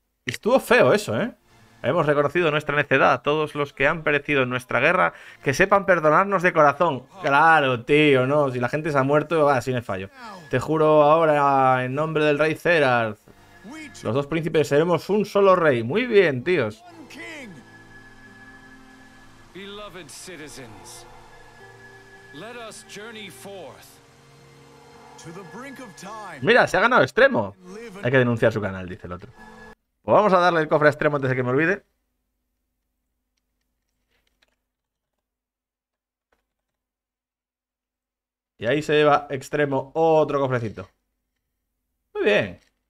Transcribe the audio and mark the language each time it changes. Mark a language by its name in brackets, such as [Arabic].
[Spanish] Estuvo feo eso, ¿eh? Hemos reconocido nuestra necedad a todos los que han perecido en nuestra guerra, que sepan perdonarnos de corazón. Claro, tío, no, si la gente se ha muerto, va, sin el fallo. Te juro ahora, en nombre del rey Xerath, los dos príncipes seremos un solo rey. Muy bien, tíos. [English] Beloved citizens, let us journey forth to the brink of time. [Spanish] Mira, se ha ganado extremo. Hay que denunciar su canal, dice el otro. Pues vamos a darle el cofre a extremo antes de que me olvide. Y ahí se lleva extremo otro cofrecito. Muy bien.